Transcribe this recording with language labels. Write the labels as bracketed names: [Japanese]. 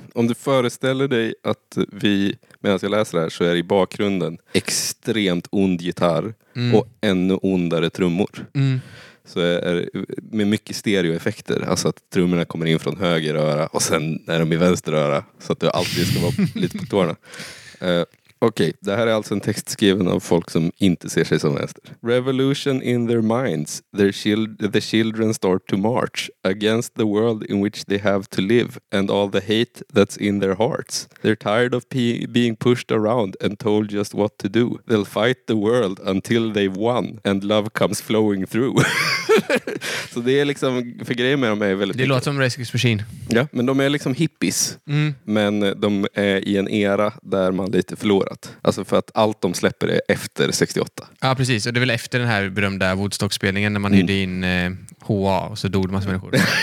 [Swedish] Om du föreställer dig att vi, medan jag läser det här, så är i bakgrunden extremt ond gitarr och ännu ondare trummor. Mm. Så är med mycket stereoeffekter. Alltså att trummorna kommer in från höger öra och sen är de i vänster öra. Så att du alltid ska vara lite på tårna. Okej, det här är alltså en text skriven av folk som inte ser sig som vänster. [English] Revolution in their minds. The children start to march against the world in which they have to live and all the hate that's in their hearts. They're tired of being pushed around and told just what to do. They'll fight the world until they've won and love comes flowing through. [Swedish] Så det är liksom, för grejer med dem är väldigt... Det låter som Rescue Machine. Ja, men de är liksom hippies. Mm. Men de är i en era där man lite förlorar. Alltså för att allt de släpper är efter 68. Ja, precis. Och det är väl efter den här berömda Woodstock-spelningen när man hyrde in HA och så dog en massa människor.